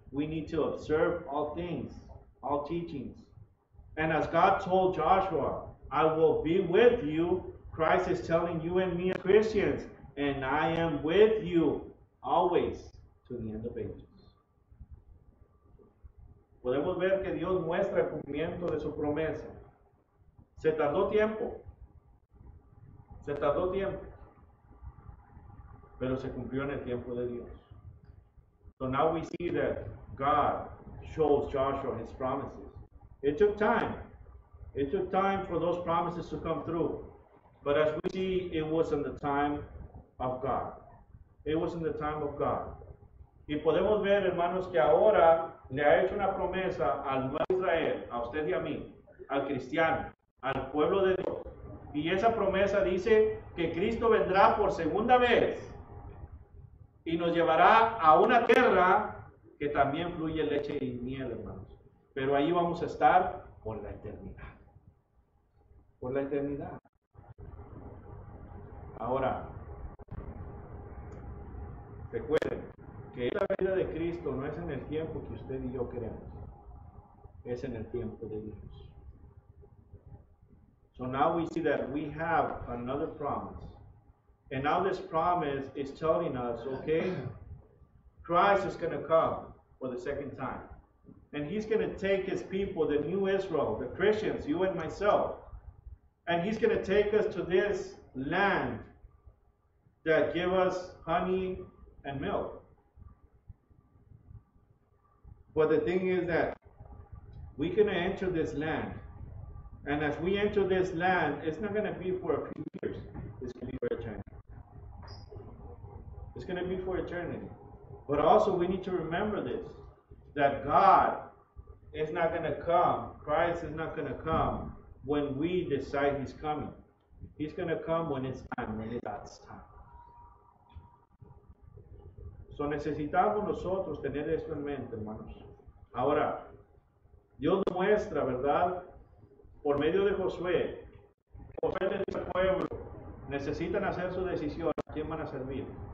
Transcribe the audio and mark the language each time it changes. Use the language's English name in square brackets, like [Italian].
[English] We need to observe all things, all teachings. And as God told Joshua, I will be with you, Christ is telling you and me as Christians, and I am with you always to the end of ages. [Spanish] Podemos ver que Dios muestra el cumplimiento de su promesa. Se tardó tiempo. Se tardó tiempo. Pero se cumplió en el tiempo de Dios. [English] So now we see that God shows Joshua his promises. It took time. It took time for those promises to come through. But as we see, it was in the time of God. It was in the time of God. [Spanish] Y podemos ver, hermanos, que ahora le ha hecho una promesa al nuevo Israel, a usted y a mí, al cristiano, al pueblo de Dios. Y esa promesa dice que Cristo vendrá por segunda vez y nos llevará a una tierra que también fluye leche y miel, hermanos. Pero ahí vamos a estar por la eternidad. Por la eternidad. Ahora, recuerden que la vida de Cristo no es en el tiempo que usted y yo queremos. Es en el tiempo de Dios. [English] So now we see that we have another promise. And now this promise is telling us, okay, Christ is going to come for the second time. And he's going to take his people, the new Israel, the Christians, you and myself, and he's going to take us to this land that gives us honey and milk. But the thing is that we're going to enter this land. And as we enter this land, it's not going to be for a few years. It's going to be for eternity. It's going to be for eternity. But also, we need to remember this, that God is not going to come. Christ is not going to come when we decide he's coming. He's going to come when it's time, when it's God's time. [Spanish] So necesitamos nosotros tener esto en mente, hermanos. Ahora, Dios muestra, ¿verdad?, por medio de Josué, Josué le dice al pueblo, necesitan hacer su decisión, ¿a quién van a servir?